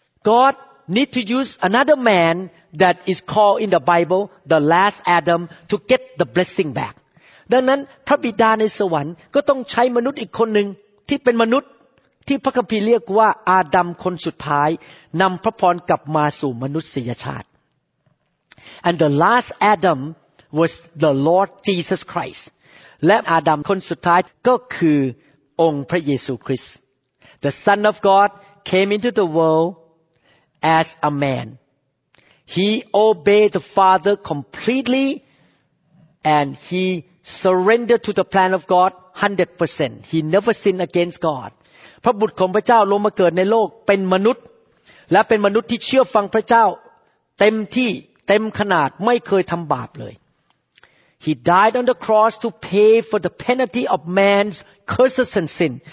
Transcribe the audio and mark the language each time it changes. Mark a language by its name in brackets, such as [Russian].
[English] God need to use another man that is called in the Bible the last Adam to get the blessing back [Thai] ดังนั้นพระบิดาในสวรรค์ก็ต้องใช้มนุษย์อีกคนหนึ่งที่เป็นมนุษย์ที่พระคัมภีร์เรียกว่าอาดัมคนสุดท้ายนำพระพรกลับมาสู่มนุษยชาติ [English] And the last Adam was the Lord Jesus Christ [Thai] และอาดัมคนสุดท้ายก็คือองค์พระเยซูคริสต์ [English] The Son of God came into the world as a man. He obeyed the Father completely and he surrendered to the plan of God 100%. He never sinned against God. [Thai] พระบุตรของพระเจ้าลงมาเกิดในโลกเป็นมนุษย์และเป็นมนุษย์ที่เชื่อฟังพระเจ้าเต็มที่เต็มขนาดไม่เคยทำบาปเลย [English] He died on the cross to pay for the penalty of man's curses and sin.